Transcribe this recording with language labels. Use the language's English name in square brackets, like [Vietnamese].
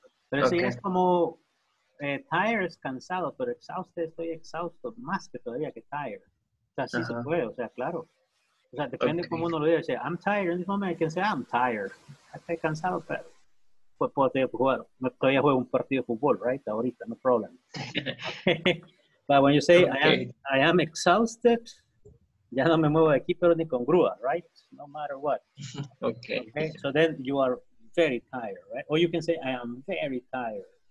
[Spanish] Pero okay. Sí, es como tired es cansado, pero exhausted estoy exhausted más que todavía que tired. O sea, sí se puede, o sea, claro. O sea, depende cómo uno lo diga. Dice, [English] I'm tired. [Spanish] En ese momento, [English] I can say, I'm tired. [Spanish] Estoy cansado, pero pues puedo jugar. Todavía juego un partido de fútbol, right? Ahorita, [English] no problem. But when you say, okay. I am exhausted, [Spanish] ya no me muevo de aquí, pero ni con grúa, right? [English] No matter what. Okay. So then you are very tired, right? Or you can say, I am very tired.